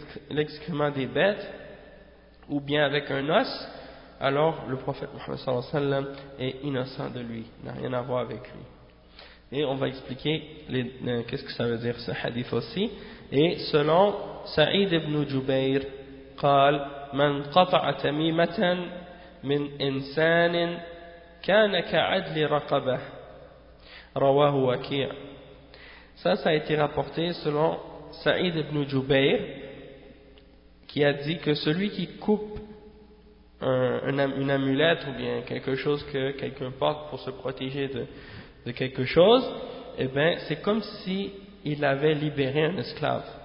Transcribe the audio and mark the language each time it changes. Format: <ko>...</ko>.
<fr>l'excrément des bêtes, ou bien avec un os, alors le prophète Mohammed sallallahu alayhi wa sallam est innocent de lui, n'a rien à voir avec lui. Et on va expliquer qu'est-ce que ça veut dire ce hadith aussi. Et selon Saïd ibn Jubayr,</fr> <ar>قال من قطع تميمة من إنسان كان كعدل رقبة رواه وكيع.</ar> <fr>Ça a été rapporté selon Saïd ibn Jubayr, qui a dit que celui qui coupe une amulette ou bien quelque chose que quelqu'un porte pour se protéger de quelque chose, eh bien c'est comme si il avait libéré un esclave.</fr>